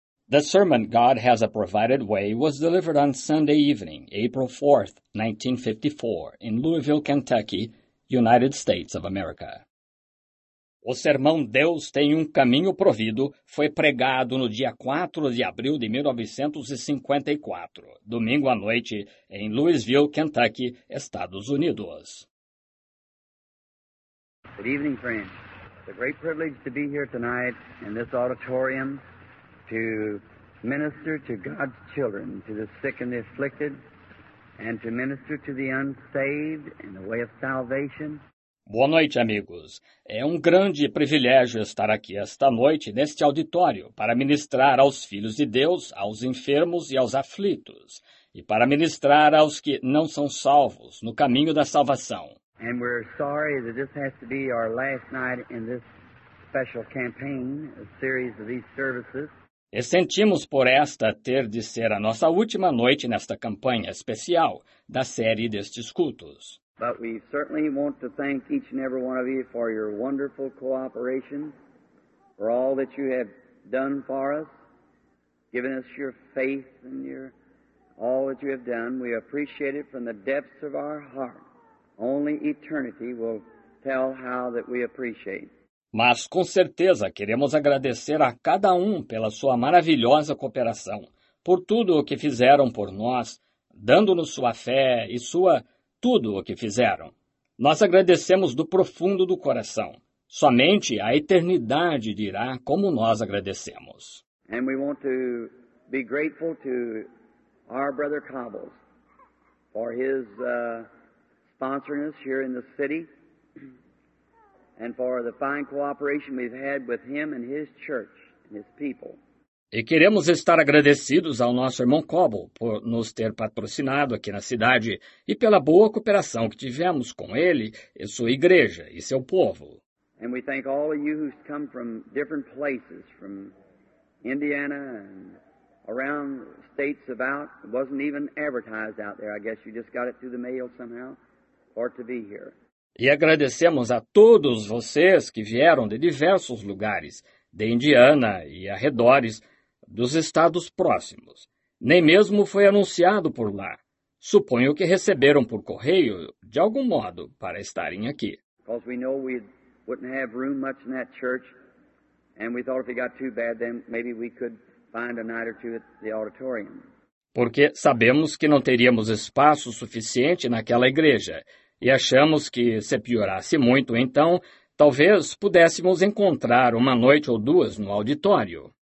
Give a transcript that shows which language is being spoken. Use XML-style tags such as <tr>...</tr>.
<en>The sermon God Has a Provided Way was delivered on Sunday evening, April 4, 1954, in Louisville, Kentucky, United States of America.</en> <pt>O sermão Deus Tem um Caminho Provido foi pregado no dia 4 de abril de 1954, domingo à noite, em Louisville, Kentucky, Estados Unidos.</pt> <en>Good evening, friends. It's a great privilege to be here tonight in this auditorium to minister to God's children, to the sick and the afflicted, and to minister to the unsaved in the way of salvation.</en> <pt>Boa noite, amigos. É um grande privilégio estar aqui esta noite neste auditório para ministrar aos filhos de Deus, aos enfermos e aos aflitos, e para ministrar aos que não são salvos no caminho da salvação.</pt> <en>And we're sorry that this has to be our last night in this special campaign, a series of these services.</en> <pt>E sentimos por esta ter de ser a nossa última noite nesta campanha especial da série destes cultos.</pt> <en>But we certainly want to thank each and every one of you for your wonderful cooperation, for all that you have done for us, given us your faith and your all that you have done. We appreciate it from the depths of our heart. Only eternity will tell how that we appreciate.</en> <pt>Mas com certeza queremos agradecer a cada um pela sua maravilhosa cooperação, por tudo o que fizeram por nós, dando-nos sua fé e sua tudo o que fizeram. Nós agradecemos do profundo do coração. Somente a eternidade dirá como nós agradecemos.</pt> <en>And we want to be grateful to our brother Cobbles for his sponsoring us here in the city and for the fine cooperation we've had with him and his church and his people.</en> <pt>E queremos estar agradecidos ao nosso irmão Cobble por nos ter patrocinado aqui na cidade e pela boa cooperação que tivemos com ele e sua igreja e seu povo.</pt> <en>And we thank all of you who come from different places, from Indiana and around states about. It wasn't even advertised out there. I guess you just got it through the mail somehow for it to be here.</en> <pt>E agradecemos a todos vocês que vieram de diversos lugares, de Indiana e arredores, dos estados próximos. Nem mesmo foi anunciado por lá. Suponho que receberam por correio, de algum modo, para estarem aqui.</pt> <en>Because we know we wouldn't have room much in that church, and we thought if it got too bad, then maybe we could find a night or two at the auditorium.</en> <pt>Porque sabemos que não teríamos espaço suficiente naquela igreja, e achamos que, se piorasse muito, então, talvez pudéssemos encontrar uma noite ou duas no auditório.</pt>